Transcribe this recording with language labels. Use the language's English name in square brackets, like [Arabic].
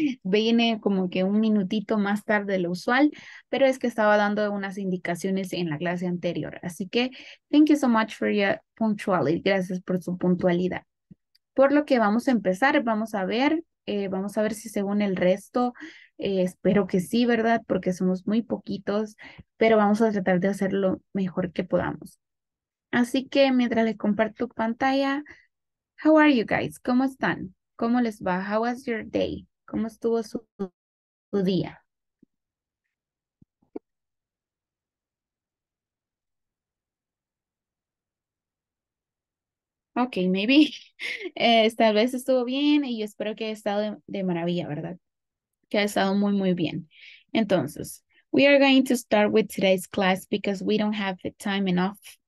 [Spanish] Vine como que un minutito más tarde de lo usual, pero es que estaba dando unas indicaciones en la clase anterior. Así que, [English] thank you so much for your punctuality. [Spanish] Gracias por su puntualidad. Por lo que vamos a empezar, vamos a ver si según el resto. Espero que sí, ¿verdad? Porque somos muy poquitos, pero vamos a tratar de hacer lo mejor que podamos. Así que mientras les comparto pantalla, [English] how are you guys? [Spanish] ¿Cómo están? ¿Cómo les va? [English] How was your day? [Spanish] ¿Cómo estuvo su día? [English] Ok, maybe. [Spanish] Tal vez estuvo bien y yo espero que haya estado de maravilla, ¿verdad? Que ha estado muy, muy bien. Entonces, [English] we are going to start with today's class because we don't have the time enough.